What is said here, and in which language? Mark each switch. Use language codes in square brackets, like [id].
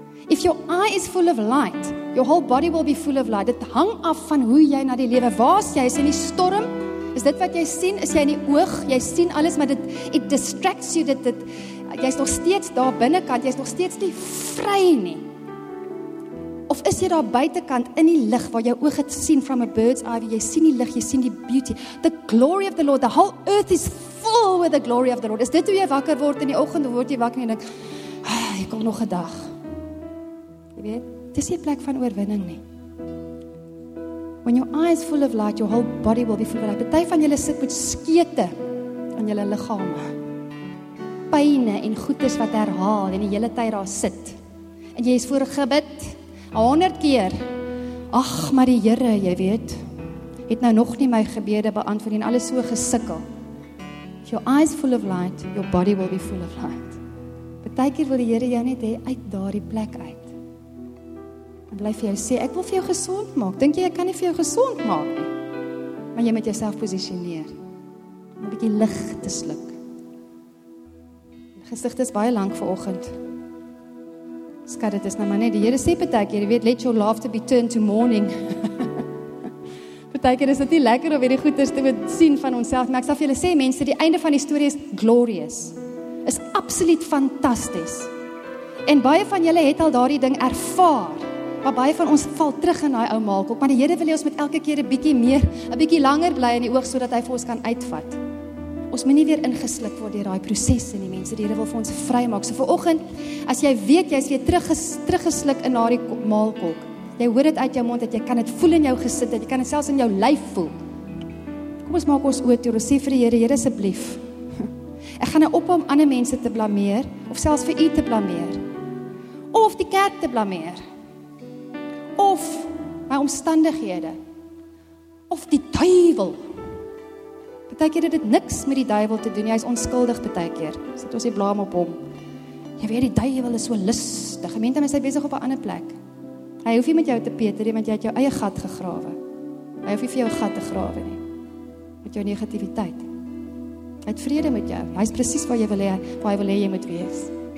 [en] If your eye is full of light, your whole body will be full of light. [af] Dit hang af van hoe jy na die lewe waar jy is in die storm. Is dit wat jy sien? Is jy in die oog? Jy sien alles, maar dit [en] it distracts you [af] dat dit jy is nog steeds daar binnekant, jy is nog steeds nie vry nie. Of is jy daar buitekant in die lig waar jou oog het sien [en] from a bird's eye, [af] jy sien die lig, jy sien die beauty. [en] The glory of the Lord, [af] the whole earth is full with the glory of the Lord. Is dit hoe jy wakker word in die oggend, word jy wakker en dink, "Ag, ek kom nog 'n dag." Jy weet, dis nie 'n plek van oorwinning nie. [en] When your eyes full of light, your whole body will be full of light. [af] Party van julle sit met skete aan julle liggame. Pyne en goeters wat herhaal en die hele tyd daar sit. En jy is voor gebid 100 keer. Ag, maar die Here, jy weet, het nou nog nie my gebede beantwoord en alles so gesukkel. [en] If your eyes full of light, your body will be full of light. [af] Partykeer wil die Here jou net hê uit daardie plek uit. Bly vir jou sê, ek wil vir jou gesond maak. Dink jy, ek kan nie vir jou gesond maak nie? Maar jy moet jouself positioneer. Om 'n bietjie lig te sluk. Gesigte is baie lank vanoggend. Skat, dit is nou maar net. Die Here sê partykeer, jy weet, [en] let your laughter be turned to mourning. [af] Partykeer is dit nie lekker om hierdie goeders te moet sien van onsself. Maar ek sal vir julle sê, mense, die einde van die storie is glorious. Is absoluut fantasties. En baie van julle het al daardie ding ervaar. Maar baie van ons val terug in daai ou maalkop, maar die Here wil hê ons moet elke keer 'n bietjie meer, 'n bietjie langer bly in die oog sodat hy vir ons kan uitvat. Ons moet nie weer ingesluk word deur daai prosesse nie, mense. Die Here wil vir ons vrymaak. So vanoggend, as jy weet jy's weer teruggesluk in daai maalkop. Jy hoor dit uit jou mond dat jy kan dit voel in jou gesig, dat jy kan dit selfs in jou lyf voel. Kom ons maak ons oortoe en sê vir die Here, Here asseblief. Ek gaan nou op om ander mense te blameer of selfs vir u te blameer of die kerk te blameer. Of my omstandighede of die duiwel. Partykeer het dit niks met die duiwel te doen. Hy is onskuldig partykeer. Sit ons die blame op hom. Jy weet die duiwel is so lustig. Gemeente, hy is besig op 'n ander plek. Hy hoef nie met jou te peter nie, want jy het jou eie gat gegrawe. Hy hoef nie vir jou gat te grawe nie. Met jou negativiteit. Hy het vrede met jou. Hy is presies waar jy wil hê, waar hy wil hê jy moet wees.